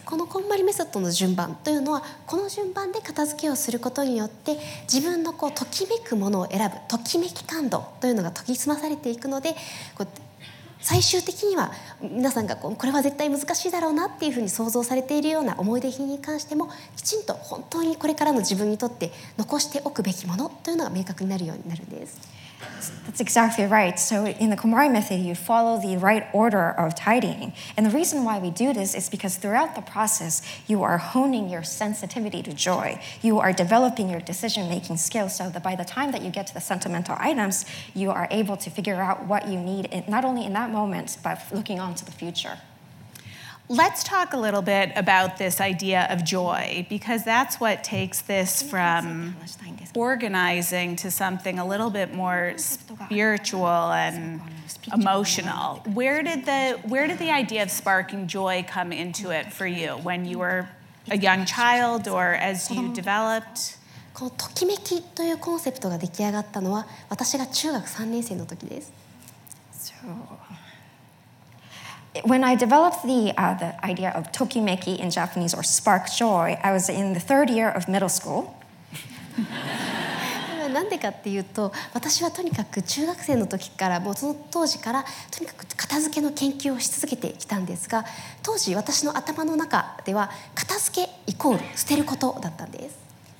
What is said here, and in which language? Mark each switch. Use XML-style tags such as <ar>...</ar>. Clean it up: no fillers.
<ja>このこんまりメソッドの順番というのは、この順番で片付けをすることによって自分のこうときめくものを選ぶときめき感度というのが研ぎ澄まされていくので、こう最終的には皆さんがこれは絶対難しいだろうなっていうふうに想像されているような思い出品に関しても、きちんと本当にこれからの自分にとって残しておくべきものというのが明確になるようになるんです。</ja> <en>That's exactly right. So in the Kumari method, you follow the right order of tidying. And the reason why we do this is because throughout the process, you are honing your sensitivity to joy. You are developing your decision-making skills so that by the time that you get to the sentimental items, you are able to figure out what you need, not only in that moment, but looking on to the future. Let's talk a little bit about this idea of joy, because that's what takes this from organizing to something a little bit more spiritual and emotional. Where did the idea of sparking joy come into it for you when you were a young child or as you developed?</en> <ja>このときめきというコンセプトが出来上がったのは、私が中学3年生の時です。</ja> <en>So... When I developed the idea of tokimeki in Japanese, or spark joy, I was in the third year of middle school.</en> <ja>なんでかっていうと、私はとにかく中学生の時から、もうその当時からとにかく片付けの研究をし続けてきたんですが、当時私の頭の中では片付けイコール捨てることだったんです。</ja>